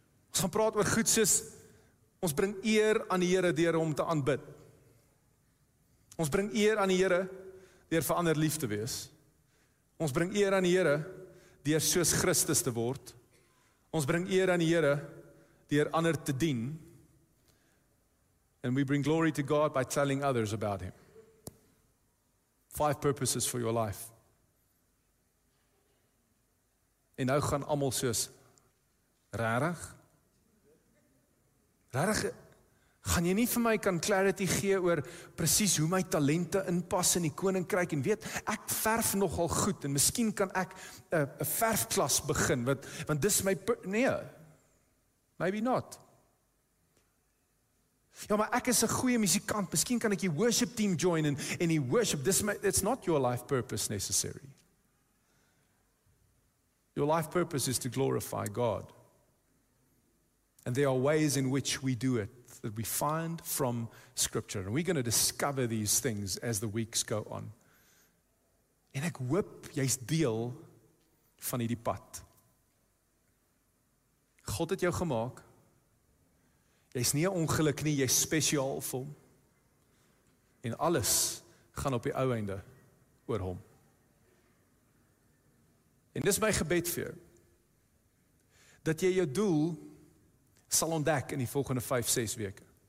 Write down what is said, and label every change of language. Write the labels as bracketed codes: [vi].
[af] Ons gaan praat oor goed soos ons bring eer aan die Here deur hom te aanbid. Ons bring eer aan die Here deur vir ander lief te wees. Ons bring eer aan die Here deur soos Christus te word. Ons bring eer aan die Here deur ander te dien. [en] And we bring glory to God by telling others about Him. 5 purposes for your life. [af] En nou gaan almal soos, rarig? Rarig, gaan jy nie vir my kan clarity gee oor precies hoe my talente inpas in die koninkryk? En weet, ek verf nogal goed en miskien kan ek 'n verfklas begin, want dis my, nee, [en] maybe not. [af] Ja, maar ek is 'n goeie musikant, miskien kan ek die worship team join en die worship, [en] it's not your life purpose necessary. Your life purpose is to glorify God. And there are ways in which we do it that we find from Scripture. And we're going to discover these things as the weeks go on. [af] En ek hoop jy's deel van hierdie pad. God het jou gemaak. Jy is nie ongeluk nie, jy is spesiaal vir hom. En alles gaan op die ou einde oor hom. En dis my gebed vir jou. Dat jy jou doel sal ontdek in die volgende 5-6 weke.